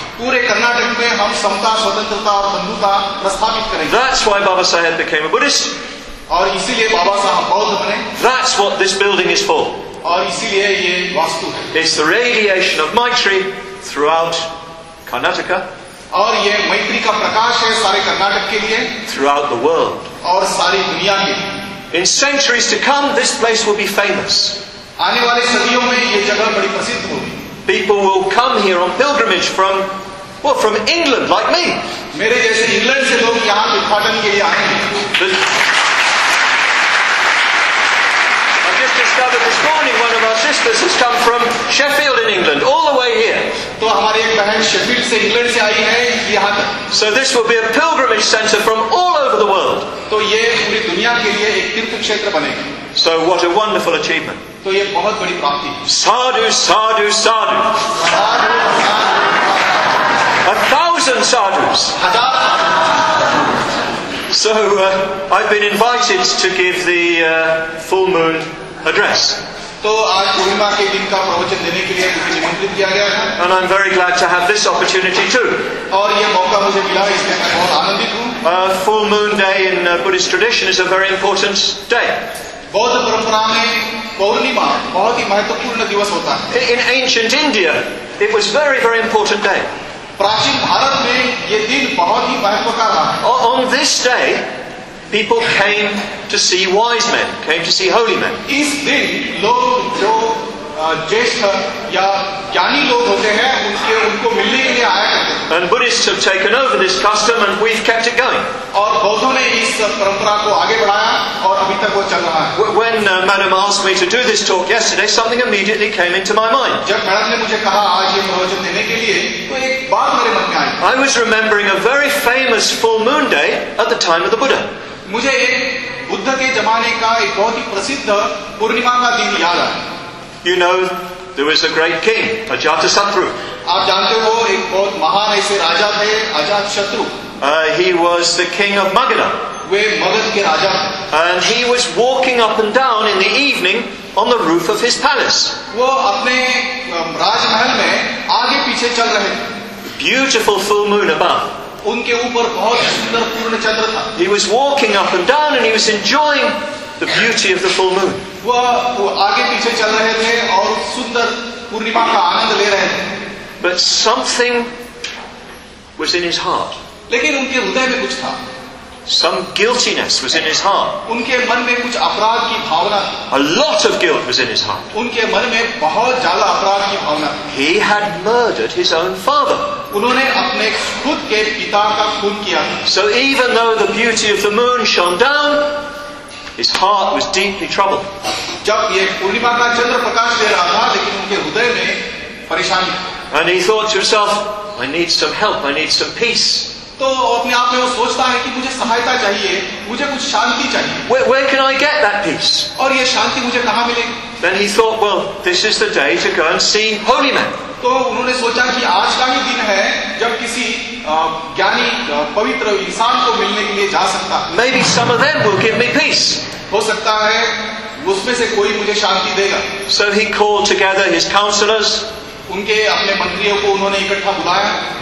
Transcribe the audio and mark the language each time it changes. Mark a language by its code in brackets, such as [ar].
[en] That's why Baba Sahib became a Buddhist. That's what this building is for. It's the radiation of Maitri throughout Karnataka [hi] और ये मैत्री का प्रकाश है सारे कर्नाटक के लिए [en] throughout the world [hi] और सारी दुनिया के लिए [en] in centuries to come this place will be famous [hi] आने वाले सदियों में ये जगह बड़ी प्रसिद्ध होगी [en] people will come here on pilgrimage from well from England like me [hi] मेरे जैसे इंग्लैंड से लोग यहां उद्घाटन के लिए आए हैं [en] This morning, one of our sisters has come from Sheffield in England, all the way here. [hi] तो हमारी एक बहन शेफील्ड से इंग्लैंड से आई है यहाँ तक. [en] So this will be a pilgrimage center from all over the world. [hi] तो ये पूरी दुनिया के लिए एक तीर्थ क्षेत्र बनेगी. [en] So what a wonderful achievement. [hi] तो ये बहुत बड़ी प्राप्ति है. [pi] Sadhu, sadhu, sadhu. Sadhu, sadhu. [en] A thousand sadhus. [hi] हजार. [en] So I've been invited to give the full moon. Address. [hi] तो आज पूर्णिमा के दिन का प्रवचन देने के लिए मुझे निमंत्रित किया गया है [en] And I'm very glad to have this opportunity too. [hi] और ये मौका मुझे मिला इसलिए मैं बहुत आनंदित हूँ [en] Full moon day in Buddhist tradition is a very important day. [hi] बौद्ध परंपरा में पूर्णिमा बहुत ही महत्वपूर्ण दिवस होता है [en] In ancient India, it was very, very important day. [hi] प्राचीन भारत में ये दिन बहुत ही महत्व का रहा [en] On this day, People came to see wise men, came to see holy men. [hi] इस दिन लोग जो ज्येष्ठ या ज्ञानी लोग होते हैं उनके उनको मिलने के लिए आया करते हैं. [en] And Buddhists have taken over this custom and we've kept it going. [hi] और बौद्धों ने इस परंपरा को आगे बढ़ाया और अभी तक वो चल रहा है. [en] When Madam asked me to do this talk yesterday, something immediately came into my mind. [hi] जब मैडम ने मुझे कहा आज ये प्रवचन देने के लिए तो एक बात मेरे मन में आई. [en] I was remembering a very famous full moon day at the time of the Buddha. [hi] मुझे एक बुद्ध के जमाने का एक बहुत ही प्रसिद्ध पूर्णिमा का दिन याद आया [en] You know, there was a great king, Ajatasatru. [hi] आप जानते हो एक बहुत महान ऐसे राजा थे Ajatashatru [en] He was the king of Magadha. [hi] वे मगध के राजा [en] And he was walking up and down in the evening on the roof of his palace. [hi] वो अपने राजमहल में आगे पीछे चल रहे थे [en] Beautiful full moon above. [hi] उनके ऊपर बहुत सुंदर पूर्ण चंद्र था [en] He was walking up and down and he was enjoying the beauty of the full moon. [hi] वो आगे पीछे चल रहे थे और सुंदर पूर्णिमा का आनंद ले रहे थे [en] But something was in his heart. [hi] लेकिन उनके हृदय में कुछ था [en] Some guiltiness was in his heart. [hi] उनके मन में कुछ अपराध की भावना थी [en] A lot of guilt was in his heart. [hi] उनके मन में बहुत ज्यादा अपराध की भावना थी [en] He had murdered his own father. [hi] उन्होंने अपने खुद के पिता का खून किया [en] So even though the beauty of the moon shone down, his heart was deeply troubled. [hi] जब ये पूर्णिमा का चंद्र प्रकाश दे रहा था लेकिन उनके हृदय में परेशानी [en] And he thought to himself, I need some help, I need some peace. [hi] तो अपने आप में वो सोचता है कि मुझे सहायता चाहिए मुझे कुछ शांति चाहिए [en] where can I get that peace? [hi] और ये शांति मुझे कहाँ मिलेगी [en] Then he thought, well, this is the day to go and see holy men. [hi] तो उन्होंने सोचा कि आज का ही दिन है जब किसी ज्ञानी पवित्र इंसान को मिलने के लिए जा सकता [en] Maybe some of them will give me peace. [hi] हो सकता है उसमें से कोई मुझे शांति देगा [en] So he called together his counselors. [hi] उनके अपने मंत्रियों को उन्होंने इकट्ठा बुलाया